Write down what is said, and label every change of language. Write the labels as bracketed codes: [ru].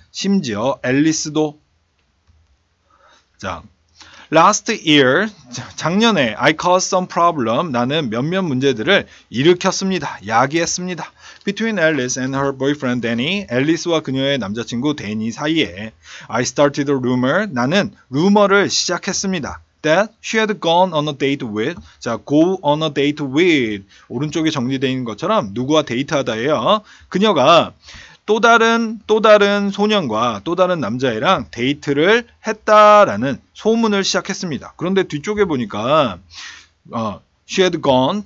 [ko] 심지어 앨리스도. 자, [en] Last year, [ko] 작년에 [en] I caused some problem. [ko] 나는 몇몇 문제들을 일으켰습니다. 야기했습니다. [en] Between Alice and her boyfriend Danny, [ko] 앨리스와 그녀의 남자친구 데니 사이에 [en] I started a rumor. [ko] 나는 루머를 시작했습니다. [en] That she had gone on a date with. [ko] 자, [en] go on a date with. [ko] 오른쪽에 정리되어 있는 것처럼 누구와 데이트하다예요. 그녀가 또 다른 소년과 또 다른 남자애랑 데이트를 했다라는 소문을 시작했습니다. 그런데 뒤쪽에 보니까 [en] she had gone.